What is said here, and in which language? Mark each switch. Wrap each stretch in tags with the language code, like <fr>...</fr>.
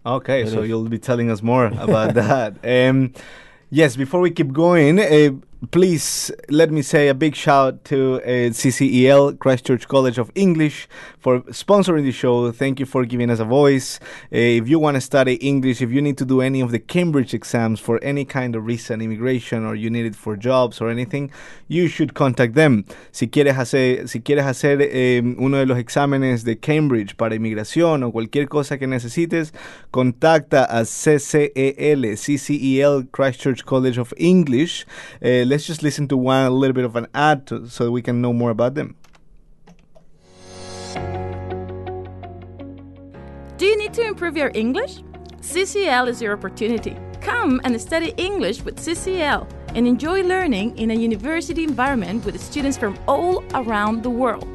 <en>Okay. It so is. You'll be telling us more about that. Yes, before we keep going, please let me say a big shout to CCEL, Christchurch College of English, for sponsoring the show. Thank you for giving us a voice. If you want to study English, if you need to do any of the Cambridge exams for any kind of recent immigration, or you need it for jobs or anything, you should contact them.</en> <es>Si quieres hacer uno de los exámenes de Cambridge para inmigración o cualquier cosa que necesites, contacta a CCEL, Christchurch College of English.</es> <en>Let's just listen to one, a little bit of an ad to, so we can know more about them. Do you need to improve your English? CCL is your opportunity. Come and study English with CCL and enjoy learning in a university environment with students from all around the world.</en>